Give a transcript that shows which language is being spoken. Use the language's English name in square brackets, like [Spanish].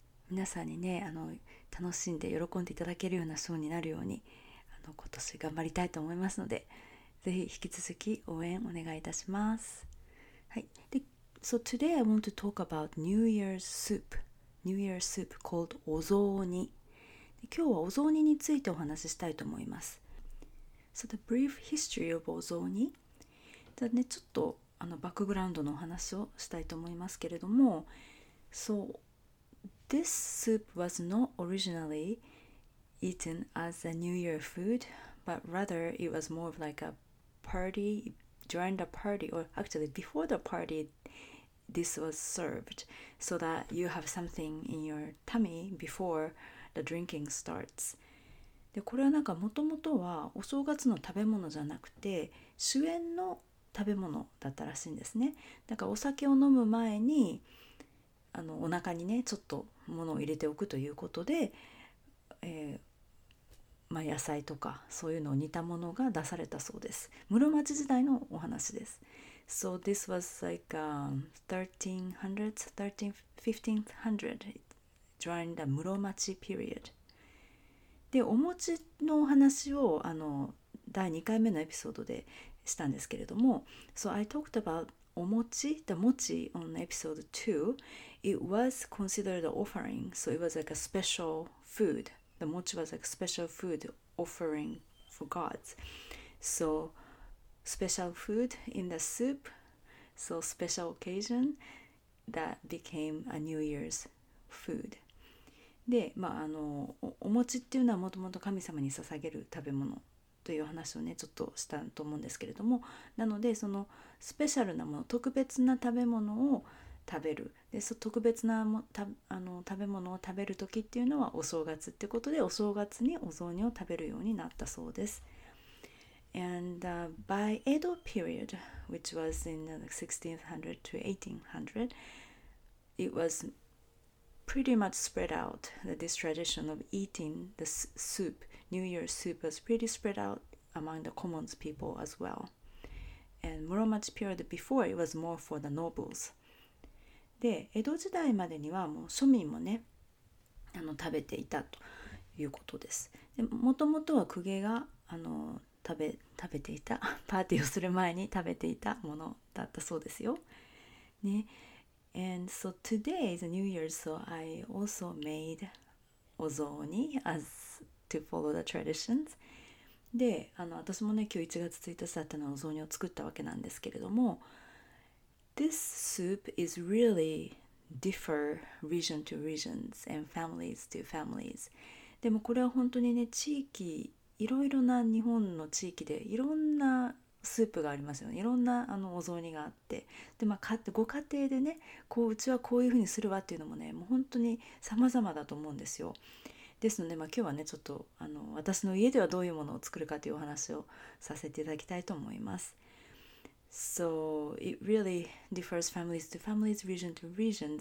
[Japanese] 皆さんにね楽しんで喜んでいただけるようなショーになるように今年頑張りたいと思いますので、ぜひ引き続き応援お願いいたします。はい、で [English] So today I want to talk about New Year's Soup. New Year's Soup called お雑煮。 [Japanese] 今日はお雑煮についてお話ししたいと思います。 [English] So the brief history of お雑煮。 [Japanese] じゃあね、ちょっとバックグラウンドのお話をしたいと思いますけれども、 [English] So this soup was not originally eaten as a New Year food, but rather it was more of like a party, during the party, or actually before the party, this was served, so that you have something in your tummy before the drinking starts. [Japanese] で、これはなんかもともとはお正月の食べ物じゃなくて、酒宴の食べ物だったらしいんですね。だからお酒を飲む前にお腹にねちょっと物を入れておくということで、野菜とかそういうのを煮たものが出されたそうです。室町時代のお話です。 [English] So this was like 1300s, 1500s. During the 室町 period. [Japanese] で、お餅のお話を第2回目のエピソードでしたんですけれども、 [English] So I talked about お餅, the 餅 on episode 2. It was considered an offering, so it was like a special food. The 餅 was like a special food offering for gods. So special food in the soup, so special occasion that became a New Year's food. [Japanese] で、お餅っていうのはもともと神様に捧げる食べ物という話をねちょっとしたと思うんですけれども、なのでそのスペシャルなもの、特別な食べ物を食べる、でその特別なもた食べ物を食べる時っていうのはお正月ってことで、お正月にお雑煮を食べるようになったそうです。 [English] And by Edo period, which was in the 1600s to 1800s, it wasPretty much spread out that this tradition of eating the soup, New Year's soup, was pretty spread out among the common people as well. And Muromachi period before, it was more for the nobles. [Japanese] で江戸時代までにはもう庶民もね食べていたということです。でもともとは公家が食べていたパーティーをする前に食べていたものだったそうですよね。 [English] And so today is New Year, so I also made お雑煮 as to follow the traditions. [Japanese] で私もね今日1月1日だったのお雑煮を作ったわけなんですけれども、 [English] This soup is really differ region to regions and families to families. [Japanese] でもこれは本当にね地域いろいろな日本の地域でいろんなスープがありますよね。いろんなお雑煮があって、でまあ、ご家庭でね、こううちはこういうふうにするわっていうのもね、もう本当に様々だと思うんですよ。ですので、まあ、今日はね、ちょっと私の家ではどういうものを作るかというお話をさせていただきたいと思います。 [English] So it really differs families to families, region to regions.